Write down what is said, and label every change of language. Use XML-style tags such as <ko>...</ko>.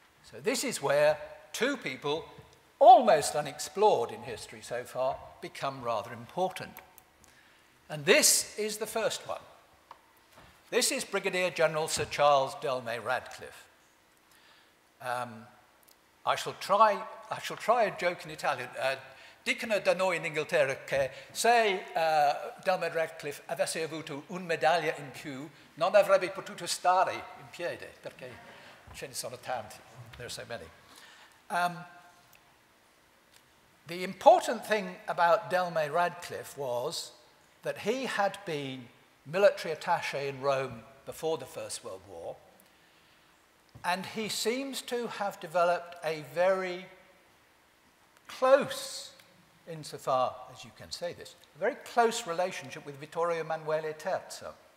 <en>So this is where two people, almost unexplored in history so far, become rather important. And this is the first one. This is Brigadier General Sir Charles Delme Radcliffe. I shall try a joke in Italian.</en> <it>Dicono da noi in Inghilterra che se Delme Radcliffe avesse avuto un medaglia in più, non avrebbe potuto stare in piedi, perché ce ne sono tanti,</it> <en>there are so many. The important thing about Delme Radcliffe was that he had been military attaché in Rome before the First World War, and he seems to have developed a very close, insofar as you can say this, a very close relationship with Vittorio Emanuele Terzo.</en>